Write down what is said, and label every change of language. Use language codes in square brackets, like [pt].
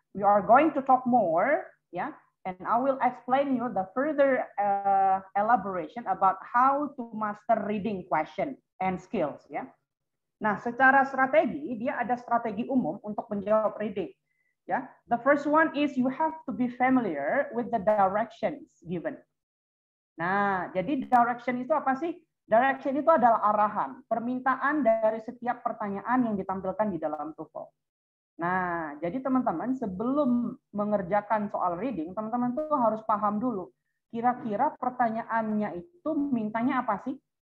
[en] We are going to talk more ya, and I will explain you the further elaboration about how to master reading question and skills ya. [id] Nah, secara strategi dia ada strategi umum untuk menjawab reading. [en] Ya, the first one is you have to be familiar with the directions given. [id] Nah, jadi direction itu apa sih? Direction itu adalah arahan, permintaan dari setiap pertanyaan yang ditampilkan di dalam TOEFL. Nah, jadi teman-teman sebelum mengerjakan soal reading, teman-teman tuh harus paham dulu kira-kira pertanyaannya itu mintanya apa sih?